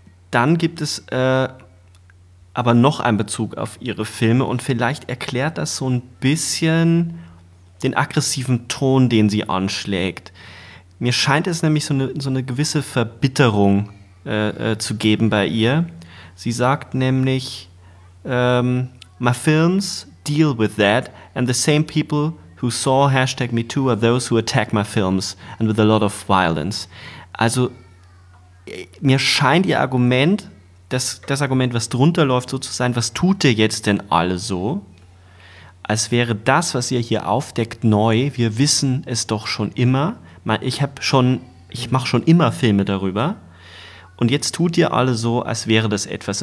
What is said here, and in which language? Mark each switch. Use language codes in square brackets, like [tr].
[de] Dann gibt es aber noch ein Bezug auf ihre Filme und vielleicht erklärt das so ein bisschen, den aggressiven Ton, den sie anschlägt. Mir scheint es nämlich so eine gewisse Verbitterung zu geben bei ihr. Sie sagt nämlich, [en] my films deal with that and the same people who saw #MeToo are those who attack my films and with a lot of violence. [de] Also mir scheint ihr Argument, das Argument, was drunter läuft, so zu sein, was tut ihr jetzt denn alle so? Als wäre das, was ihr hier aufdeckt, neu. Wir wissen es doch schon immer. Ich mache schon immer Filme darüber. Und jetzt tut ihr alle so, als wäre das etwas.